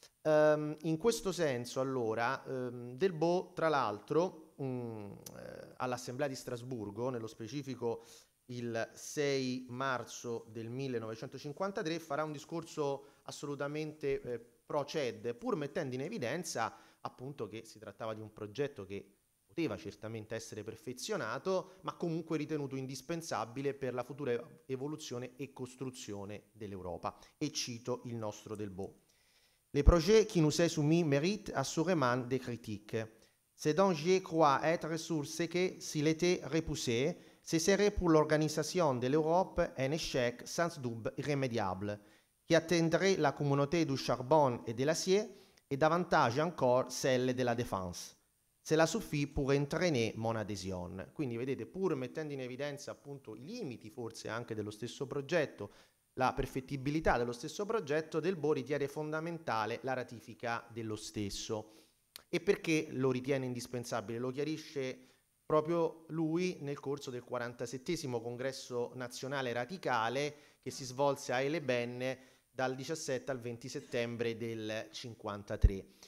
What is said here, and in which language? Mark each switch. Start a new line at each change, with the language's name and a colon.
Italian: In questo senso, allora, Delbault, tra l'altro, all'Assemblea di Strasburgo, nello specifico il 6 marzo del 1953, farà un discorso assolutamente pro-CED, pur mettendo in evidenza appunto che si trattava di un progetto che poteva certamente essere perfezionato, ma comunque ritenuto indispensabile per la futura evoluzione e costruzione dell'Europa. E cito il nostro Delbault.
French: Le projets qui nous sont soumis méritent assurément des critiques. Ce dont je crois être sûr, c'est que s'il était repoussé, ce serait pour l'organisation de l'Europe un échec sans doute irrémédiable, qui atteindrait la communauté du charbon et de l'acier et davantage encore celle de la défense. Cela suffit pour entraîner mon adhésion.
Italian: Quindi vedete, pur mettendo in evidenza appunto i limiti forse anche dello stesso progetto, la perfettibilità dello stesso progetto, Delbault ritiene fondamentale la ratifica dello stesso. E perché lo ritiene indispensabile? Lo chiarisce proprio lui nel corso del 47° congresso nazionale radicale che si svolse a Heilbronn dal 17 al 20 settembre del 53.